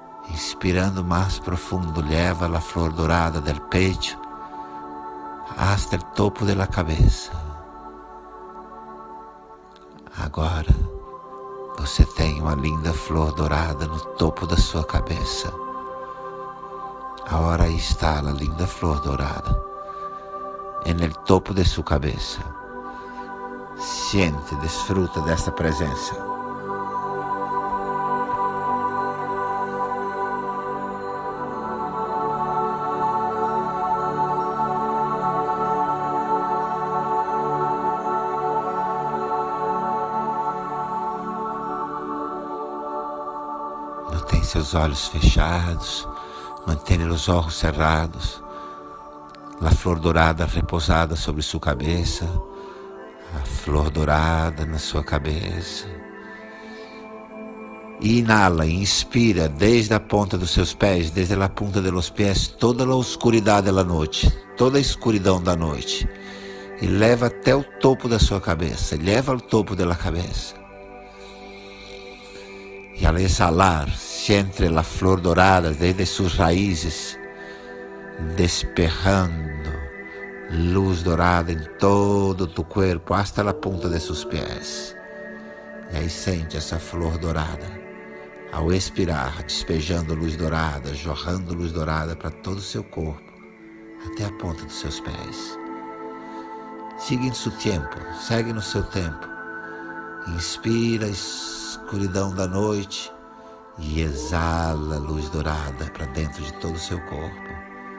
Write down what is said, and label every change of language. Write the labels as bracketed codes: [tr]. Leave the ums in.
[pt] Inspirando mais profundo, leva a flor dourada [es] del peito hasta [pt] o topo da cabeça. Agora você tem uma linda flor dourada no topo da sua cabeça. [es] Ahora ahí está la linda flor dorada en el topo de su cabeza. Siente, disfruta de esta presencia. [pt] Mantém seus olhos fechados mantenha os olhos cerrados, a flor dourada repousada sobre sua cabeça, a flor dourada na sua cabeça. E inala, inspira desde a ponta dos seus pés, desde a ponta [es] de los [pt] pés, toda a oscuridade da noite, toda a escuridão da noite. E leva até o topo da sua cabeça, leva ao topo da cabeça. [es] y al exhalar siente la flor dorada desde sus raíces, despejando luz dorada en todo tu cuerpo hasta la punta de sus pies. [pt] E aí sente essa flor dourada, ao expirar, despejando luz dourada, jorrando luz dourada para todo o seu corpo, até a ponta dos seus pés. Seguindo seu tempo, segue no seu tempo. Inspira a escuridão da noite e exala luz dourada para dentro de todo o seu corpo.